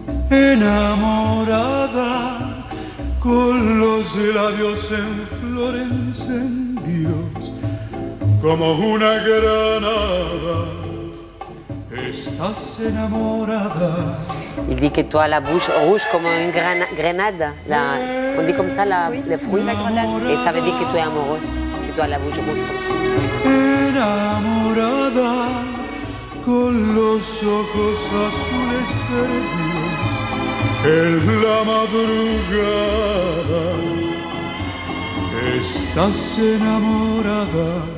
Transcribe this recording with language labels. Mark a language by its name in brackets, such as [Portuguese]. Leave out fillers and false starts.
[Spanish] Enamorada, con los labios en flor encendidos, como una granada, estás enamorada. [French] Il dit que tu as la bouche rouge comme une grenade. On dit comme ça, le fruit. La grenade. Et ça veut dire que tu es amoureuse, si tu as la bouche rouge comme ça. [Spanish] Enamorada, con los ojos azules perdidos, en la madrugada estás enamorada.